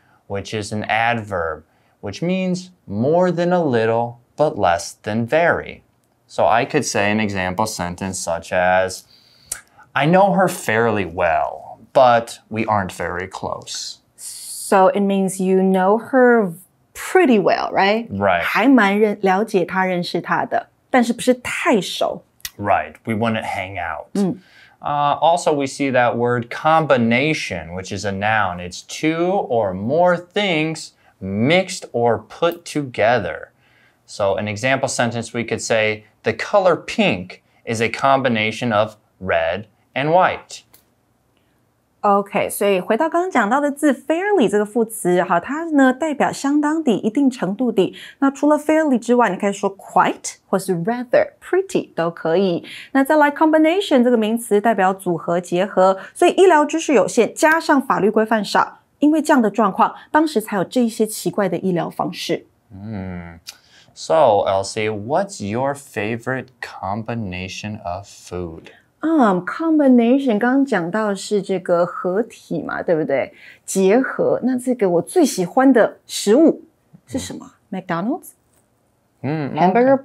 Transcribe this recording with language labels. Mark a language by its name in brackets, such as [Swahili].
[English] Which is an adverb, which means more than a little, but less than very. So I could say an example sentence such as, I know her fairly well, but we aren't very close. So it means you know her pretty well, right? Right. [Chinese] 还蛮了解她认识她的，但是不是太熟。 [English] Right, we wouldn't hang out. Mm. Also, we see that word combination, which is a noun. It's two or more things mixed or put together. So an example sentence, we could say, the color pink is a combination of red and white. [Chinese] Okay, 所以回到刚刚讲到的字 fairly 这个副词，好，它呢代表相当的、一定程度的。那除了 fairly 之外，你可以说 quite 或是 rather, pretty 都可以。那再来 combination 这个名词代表组合、结合，所以医疗知识有限，加上法律规范少，因为这样的状况，当时才有这一些奇怪的医疗方式。 [English] So Elsie, what's your favorite combination of food? [Chinese] combination, 刚刚讲到是这个合体嘛对不对结合那这个我最喜欢的食物是什么、McDonald's?、Hamburger、okay.